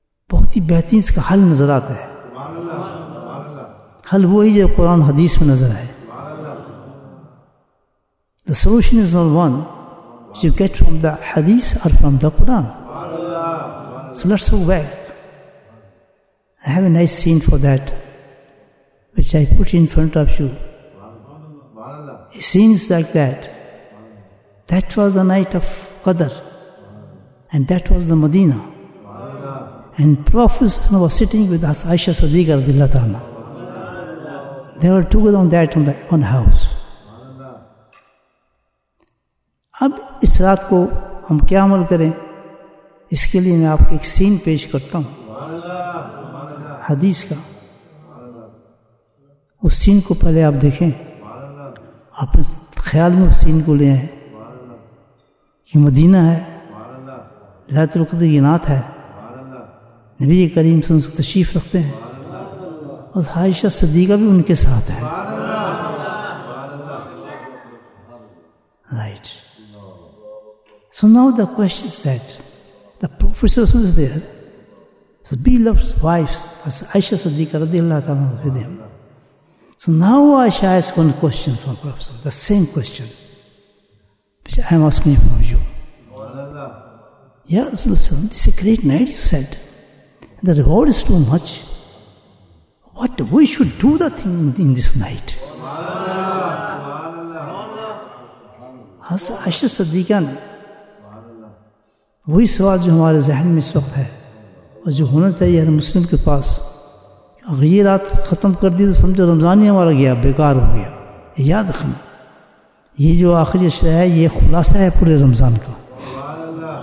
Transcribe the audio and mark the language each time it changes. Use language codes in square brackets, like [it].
[ur] کتنی بہترین اس کا حل نظر آتا ہے. حل وہی جو قرآن حدیث میں نظر آئے. [en] The solution is not one which you get from the hadith or from the Quran. So let's go back. I have a nice scene for that which I put in front of you. It seems like that. That was the night of Qadr and that was the Medina. And Prophet was sitting with us, Aisha Sadiqa radiallahu ta'ala. They were together on that, on the house. [ur] اب اس رات کو ہم کیا عمل کریں, اس کے لیے میں آپ کو ایک سین پیش کرتا ہوں حدیث کا. اس سین کو پہلے آپ دیکھیں, آپ نے خیال میں اس سین کو لے آئیں کہ مدینہ ہے, لیلت القدر کی نعت ہے, نبی کریم صلی اللہ علیہ وسلم تشریف رکھتے ہیں اور عائشہ صدیقہ بھی ان کے ساتھ ہے. [en] Right. So now the question is that the Prophet was there, his beloved wives, Aisha Sadiqa radiallahu ta'ala with him. So now Aisha asked one question from Prophet, the same question which I am asking from you. Ya Rasulullah, this is a great night, you said. The reward is too much. What we should do the thing in this night? [ur] Aisha Sadiqa, وہی سوال جو ہمارے ذہن میں اس وقت ہے اور جو ہونا چاہیے ہر مسلم کے پاس. اگر یہ رات ختم کر دی تو سمجھو رمضان ہی ہمارا گیا, بیکار ہو گیا. یاد رکھنا, یہ جو آخری اشرہ ہے یہ خلاصہ ہے پورے رمضان کا.